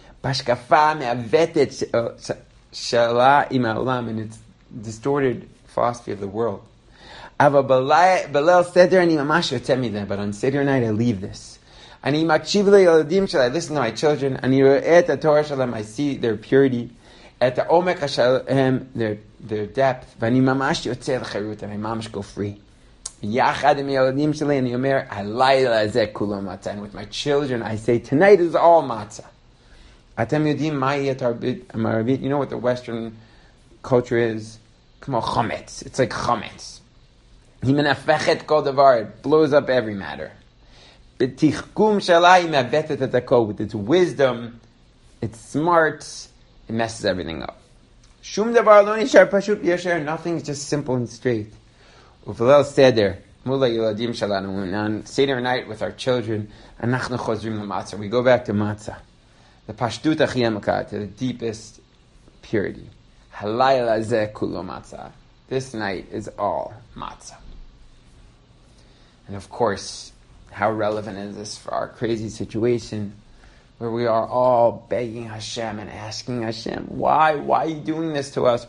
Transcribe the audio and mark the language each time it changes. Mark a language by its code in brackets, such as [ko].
[he] בהשקפה המעוותת שלה עם העולם, [en] and it's distorted philosophy of the world. [he] אבל בליל סדר אני ממש יוצא מזה, [en] but on Seder night I leave this. [he] אני מקשיב לילדים שלי, [en] I listen to my children, [he] אני רואה את התורה שלהם, [en] I see their purity, [he] את העומק שלהם, [en] their depth, [he] ואני ממש יוצא לחירות, [en] and I [he] ממש [en] go free. [he] יחד עם הילדים שלי אני אומר, הלילה הזה כולו מצה, [en] and with my children I say, tonight is all matzah. [he] אתם יודעים מה יהיה תרבית המערבית? [en] You know what the Western culture is? [he] כמו חומץ. [en] It's like חומץ. [he] היא מנפחת כל דבר. [en] It blows up every matter. [he] בתחכום שלה היא מאבטת את הכל. [en] With its wisdom, its smarts, it messes everything up. [he] שום דבר לא נשאר פשוט ישר. [en] Nothing is just simple and straight. [he] ובליל סדר, מול הילדים שלנו, [en] on Seder night with our children, [he] אנחנו חוזרים למצה. [en] We go back to matzah. The [he] pashtut hachi emaka, [en] to the deepest purity. [he] Halayla ze kulo matzah. [en] This night is all matzah. And of course, how relevant is this for our crazy situation where we are all begging Hashem and asking Hashem, why are you doing this to us?